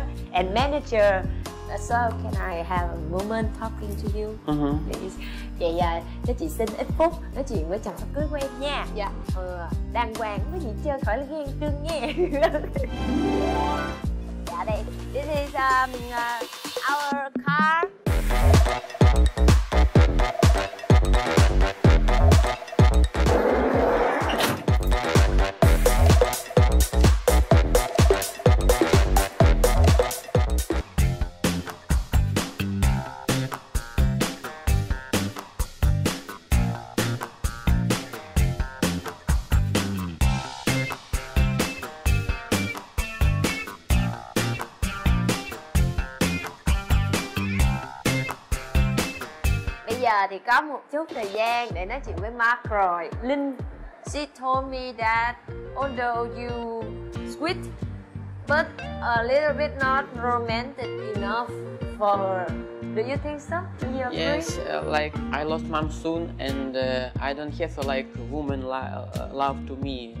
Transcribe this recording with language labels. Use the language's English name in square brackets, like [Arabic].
[English] And manager, so can I have a moment talking to you, please? [Vietnamese] Vậy cho chị xin ít phút nói chuyện với chồng sắp cưới của em nha. Dạ. Ừ, đàng hoàng với chị chơi khỏi là ghen tương nha. Dạ đây, [English] this is our car. [Vietnamese] Thì có một chút thời gian để nói chuyện với Mark rồi. [English] Linh, she told me that although you sweet but a little bit not romantic enough for her. Do you think so? Yes, like I lost mom soon and I don't have a like woman love to me.